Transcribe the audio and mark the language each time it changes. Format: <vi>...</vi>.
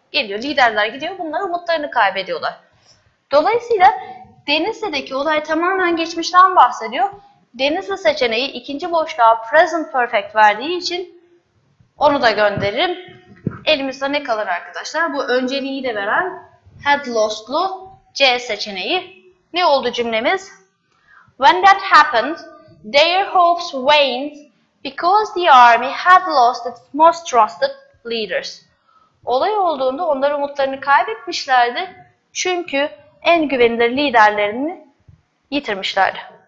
<tr>Geliyor. Liderler gidiyor. Bunlar umutlarını kaybediyorlar. Dolayısıyla Denizli'deki olay tamamen geçmişten bahsediyor. Denizli seçeneği ikinci boşluğa present perfect verdiği için onu da gönderirim. Elimizde ne kalır arkadaşlar? Bu önceliği de veren had lost'lu C seçeneği. Ne oldu cümlemiz?</tr> <en>When that happened, their hopes waned because the army had lost its most trusted leaders.</en> <tr>Olay olduğunda onlar umutlarını kaybetmişlerdi çünkü en güvenilir liderlerini yitirmişlerdi.</tr>